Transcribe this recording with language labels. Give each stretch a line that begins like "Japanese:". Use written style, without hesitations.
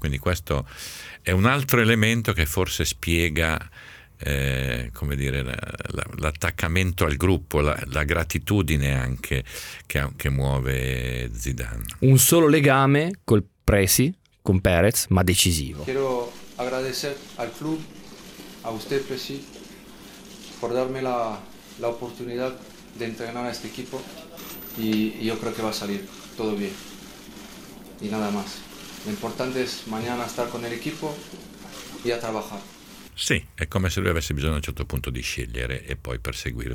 Italian: Quindi questo è un altro elemento che forse spiega come dire, l'attaccamento al gruppo, la gratitudine anche che muove Zidane. Un solo legame col Presi, con Perez, ma decisivo.
Spanish: Quiero agradecer al club, a usted Presi, por darme la oportunidad de entrenar a este equipo y yo creo que va a salir todo bien y nada más. Lo importante es mañana estar con el equipo y a trabajar.
Italian: Sì, è come se lui avesse bisogno a un certo punto di scegliere e poi perseguire.